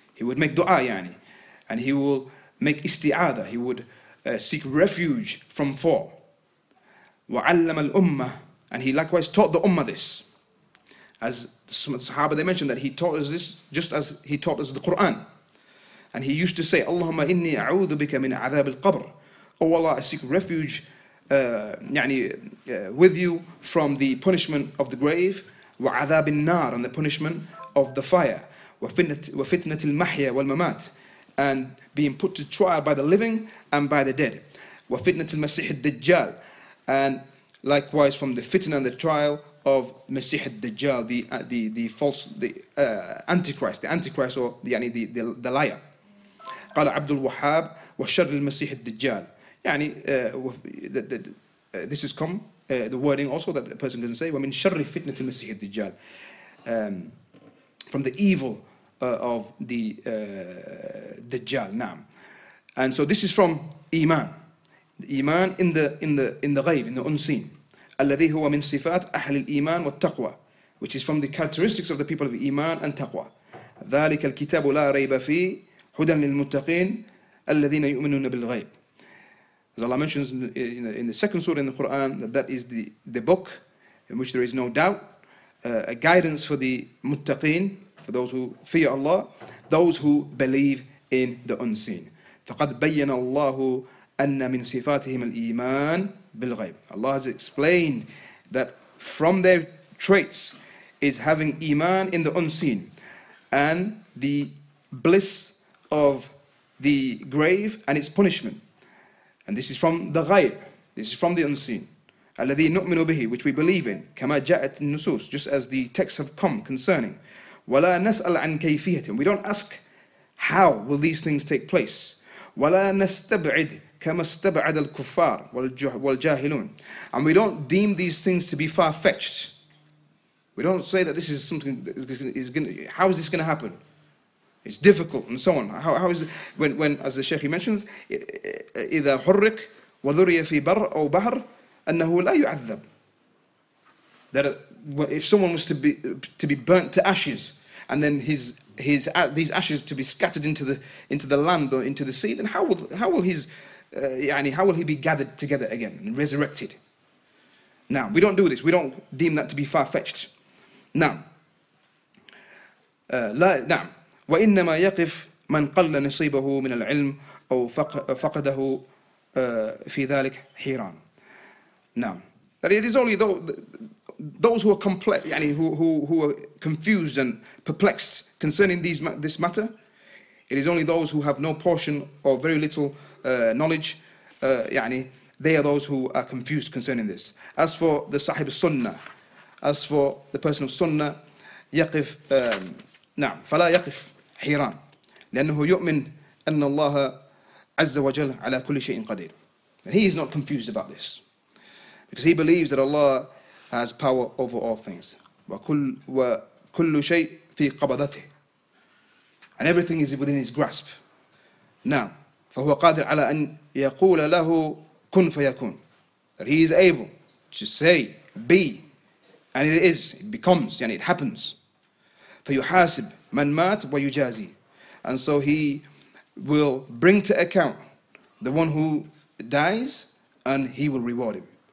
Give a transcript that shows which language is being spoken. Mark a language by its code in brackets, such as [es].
[en] He would make dua yani, and he will make isti'adha, he would seek refuge from fall. [ar] وَعَلَّمَ الْأُمَّةِ. [en] And he likewise taught the ummah this. As some sahaba, they mentioned that he taught us this just as he taught us the Quran. And he used to say, [ar] اللهم إني أعوذ بك من عذاب القبر. [en] Oh Allah, I seek refuge with you from the punishment of the grave. [ar] وعذاب النار, [en] and the punishment of the fire. [ar] وفتنة المحيا والممات, [en] and being put to trial by the living and by the dead. وفتنة المسيح الدجال, and likewise from the fitna and the trial of Masih al-Dajjal, the antichrist, or the liar. [ar] قال عبد الوهاب وشر المسيح الدجال. [en] This has come, the wording also that the person doesn't say, [ar] ومن شر فتنة المسيح الدجال. [en] From the evil of the Dajjal. نعم. And so this is from Iman. Iman in the ghaib, in the unseen. [ar] الذي هو من صفات أهل الإيمان والتقوى, [en] which is from the characteristics of the people of Iman and Taqwa. [ar] ذلك الكتاب لا ريب فيه هدى للمتقين الذين يؤمنون بالغيب. [en] As Allah mentions in the second surah in the Quran, that is the book in which there is no doubt, a guidance for the muttaqin, for those who fear Allah, those who believe in the unseen. [ar] فقد بين الله أن من صفاتهم الإيمان بالغيب. [en] Allah has explained that from their traits is having iman in the unseen, and the bliss of the grave and its punishment. And this is from the ghaib. This is from the unseen. [ar] الذي نؤمن به, [en] which we believe in. [ar] كما جاءت النصوص, [en] just as the texts have come concerning. [ar] ولا نسأل عن كيفيتهم. [en] We don't ask how will these things take place. [ar] ولا نستبعد كما استبعد الكفار والجاهلون. [en] And we don't deem these things to be far-fetched. We don't say that this is something that how is this going to happen? It's difficult and so on. How is it, when as the Sheikh mentions, [ar] إذا حرك وذري في بر أو بحر أنه لا يعذب. [en] That if someone was to be burnt to ashes, and then these ashes to be scattered into the land or into the sea, then how will he be gathered together again and resurrected? Now, we don't do this. We don't deem that to be far-fetched. [ar] Now, وإنما يقف من قل نصيبه من العلم أو فقده في ذلك حيران. [en] Now, that it is only those who are complex, who are confused and perplexed concerning this matter. It is only those who have no portion or very little knowledge, they are those who are confused concerning this. As for the Sahib Sunnah, as for the person of Sunnah, [ar] يقف نعم فلا يقف حيران لأنه يؤمن أن الله عز وجل على كل شيء قدير. [en] And he is not confused about this, because he believes that Allah has power over all things. [ar] وكل شيء في قبضته. [en] And everything is within his grasp. نعم. [ar] فهو قادر على أن يقول له كن فيكون. [en] That he is able to say be. And it is, it becomes, يعني it happens. [ar] فيحاسب من مات ويجازي. [en] And so he will bring to account the one who dies and he will reward him.